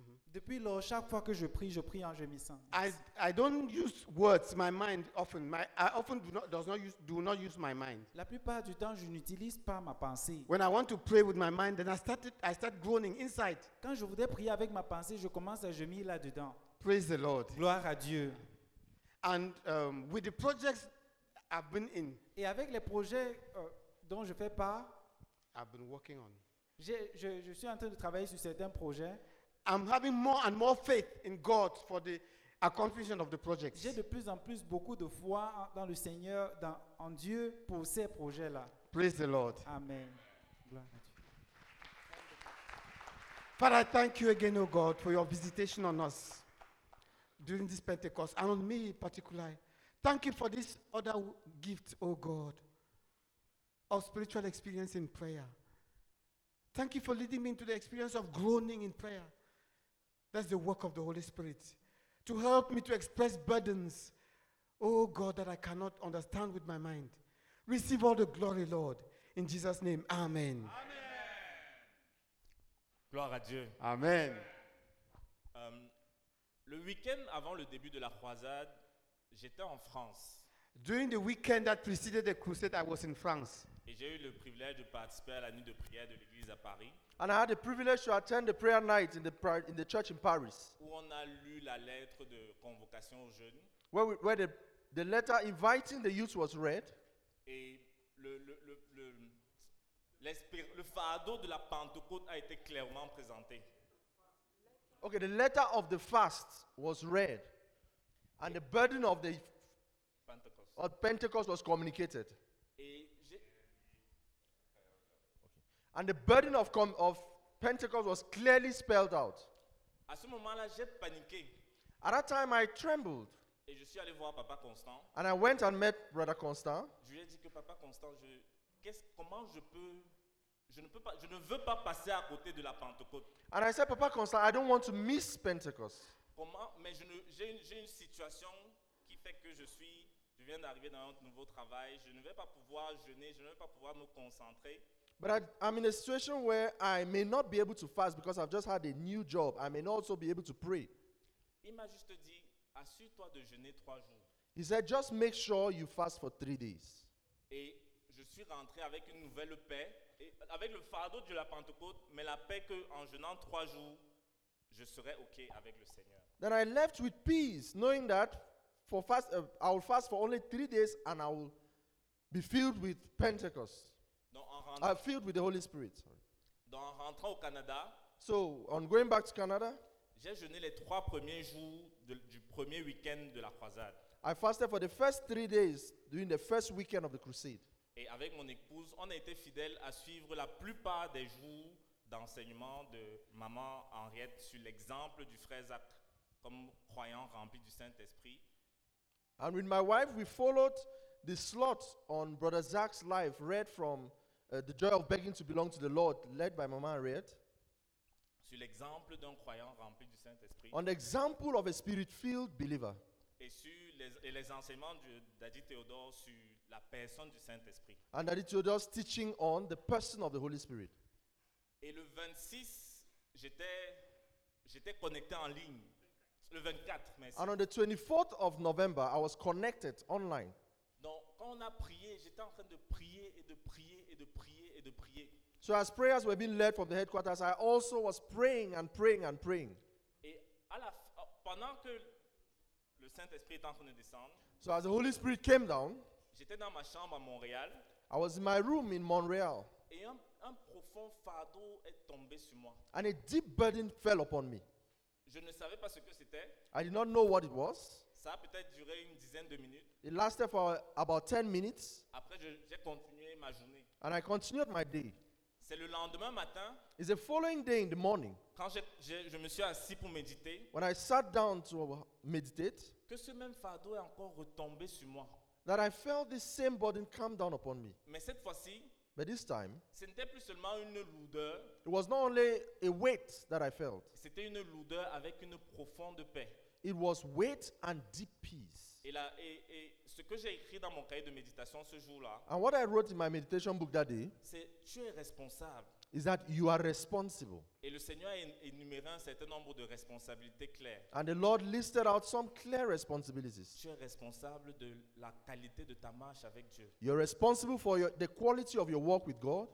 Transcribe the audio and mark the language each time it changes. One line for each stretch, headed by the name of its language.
French: Depuis lors, chaque fois que je prie en gémissant.
English: I don't use words, my mind often. I often do not use my mind.
French: La plupart du temps, je n'utilise pas ma pensée.
English: When I want to pray with my mind, then I start groaning inside.
French: Quand je voudrais prier avec ma pensée, je commence à gémir là dedans.
English: Praise the Lord.
French: Gloire à Dieu.
English: And with the projects I've been in.
French: Et avec les projets dont je fais part.
English: I've been working on.
French: Je suis en train de travailler sur certains projets.
English: I'm having more and more faith in God for the accomplishment of the project.
French: J'ai de plus en plus beaucoup de foi dans le Seigneur, en Dieu pour ces projets-là.
English: Praise the Lord.
French: Amen. Gloire à Dieu.
English: Father, I thank you again, O God, for your visitation on us during this Pentecost and on me in particular. Thank you for this other gift, O God, of spiritual experience in prayer. Thank you for leading me into the experience of groaning in prayer. That's the work of the Holy Spirit. To help me to express burdens, oh God, that I cannot understand with my mind. Receive all the glory, Lord. In Jesus' name, amen. Amen.
French: Gloire à Dieu. Amen. Le week-end avant le début de la croisade, j'étais en France.
English: During the weekend that preceded the crusade, I was in France.
French: Et j'ai eu le privilège de participer à la nuit de prière de l'église à Paris.
English: And I had the privilege to attend the prayer night in the church in Paris.
French: Où on a lu la lettre de convocation aux jeunes.
English: Where the letter inviting the youth was read.
French: Et le fardeau de la Pentecôte a été clairement présenté.
English: Okay, the letter of the fast was read. And the burden of the Pentecost was communicated. And the burden of Pentecost was clearly spelled out.
French: À ce moment-là, j'ai paniqué.
English: At that time, I trembled.
French: Et je suis allé voir Papa Constant.
English: And I went and met Brother Constant.
French: Je lui ai dit que Papa Constant, comment je peux Je ne veux pas passer à côté de la Pentecôte.
English: And I said, Papa Constant, I don't want to miss Pentecost.
French: Comment? Mais j'ai une situation qui fait que je viens d'arriver dans un nouveau travail. Je ne vais pas pouvoir jeûner. Je ne vais pas pouvoir me concentrer.
English: But I'm in a situation where I may not be able to fast because I've just had a new job. I may not also be able to pray.
French: Il m'a juste dit, assure-toi de jeûner 3 jours.
English: He said, just make sure you fast for 3 days.
French: Et je suis rentré avec une nouvelle paix, et avec le fardeau de la Pentecôte, mais la paix que en jeûnant 3 jours, je serai okay avec le Seigneur.
English: Then I left with peace, knowing that I will fast for only 3 days and I will be filled with Pentecost. Filled with the Holy Spirit.
French: Donc en rentrant au Canada,
English: so on going back to Canada,
French: j'ai jeûné les 3 premiers jours du premier week-end de la croisade.
English: I fasted for the first 3 days during the first weekend of the crusade.
French: Et avec mon épouse, on a été fidèles à suivre la plupart des jours d'enseignement de maman Henriette sur l'exemple du frère Zach comme croyant rempli du Saint-Esprit.
English: And with my wife, we followed the slot on Brother Zach's life read from The Joy of Begging to Belong to the Lord, led by Mama Henriette.
French: Sur l'exemple d'un croyant rempli du Saint-Esprit.
English: On the example of a spirit-filled believer.
French: Et sur les enseignements de Daddy Theodore sur la personne du Saint-Esprit.
English: And Daddy Theodore's teaching on the person of the Holy Spirit.
French: Et le 26, j'étais connecté en ligne. Le 24, merci.
English: And on the 24th of November, I was connected online.
French: Donc, quand on a prié, j'étais en train de prier et de prier et de prier et de prier.
English: So as prayers were being led from the headquarters, I also was praying and praying and praying.
French: Et pendant que le Saint-Esprit était en train de descendre,
English: so as the Holy Spirit came down,
French: j'étais dans ma chambre à Montréal.
English: I was in my room in Montreal.
French: Et un profond fardeau est tombé sur moi.
English: And a deep burden fell upon me.
French: Je ne savais pas ce que c'était.
English: I did not know what it was.
French: Ça a peut-être duré une dizaine de minutes.
English: It lasted for about 10 minutes.
French: Après, j'ai continué ma journée.
English: And I continued my day.
French: C'est le lendemain matin.
English: It's the following day in the morning.
French: Quand je me suis assis pour méditer.
English: When I sat down to meditate.
French: Que ce même fardeau est encore retombé sur moi.
English: That I felt the same burden come down upon me.
French: Mais cette fois-ci.
English: But this time.
French: Ce n'était plus seulement une lourdeur.
English: It was not only a weight that I felt.
French: C'était une lourdeur avec une profonde paix.
English: It was weight and deep peace.
French: Et ce que j'ai écrit dans mon cahier de méditation ce jour-là.
English: And what I wrote in my meditation book that day.
French: C'est tu es responsable.
English: Is that you are responsible.
French: Et le Seigneur a énuméré un certain nombre de responsabilités claires.
English: And the Lord listed out some clear responsibilities.
French: Tu es responsable de la qualité de ta marche avec Dieu.
English: You're responsible for the quality of your walk with God.